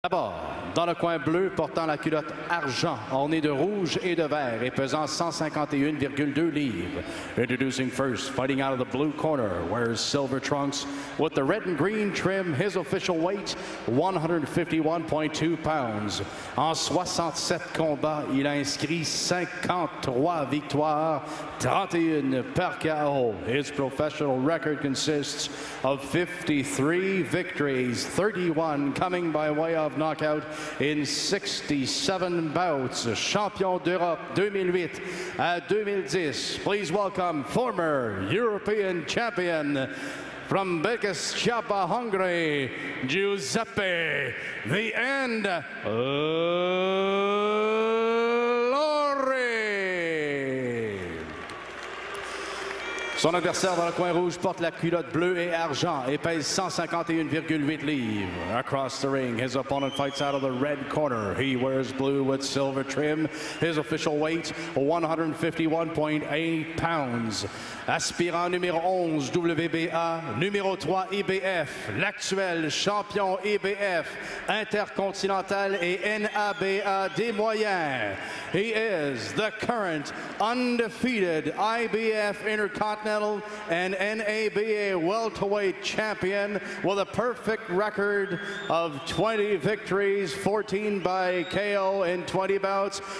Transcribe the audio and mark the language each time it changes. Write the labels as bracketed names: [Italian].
[French] D'abord, dans le coin bleu, portant la culotte argent, ornée de rouge et de vert, et pesant 151,2 livres. [English] Introducing first, fighting out of the blue corner, wears silver trunks, with the red and green trim, his official weight, 151.2 pounds. [French] En 67 combats, il a inscrit 53 victoires, 31 par KO. [English] His professional record consists of 53 victories, 31 coming by way of knockout in 67 bouts. [French] Champion d'Europe 2008 à 2010. [English] Please welcome former European champion from Békéscsaba, Hungary, Giuseppe the End Lory. [French] Son adversaire dans le coin rouge porte la culotte bleue et argent et pèse 151,8 livres. [English] Across the ring, his opponent fights out of the red corner. He wears blue with silver trim. His official weight, 151.8 pounds. [French] Aspirant numéro 11, WBA, numéro 3, IBF, l'actuel champion IBF, intercontinental et NABA des moyens. [English] He is the current undefeated IBF Intercontinental and NABA welterweight champion with a perfect record of 20 victories, 14 by KO in 20 bouts.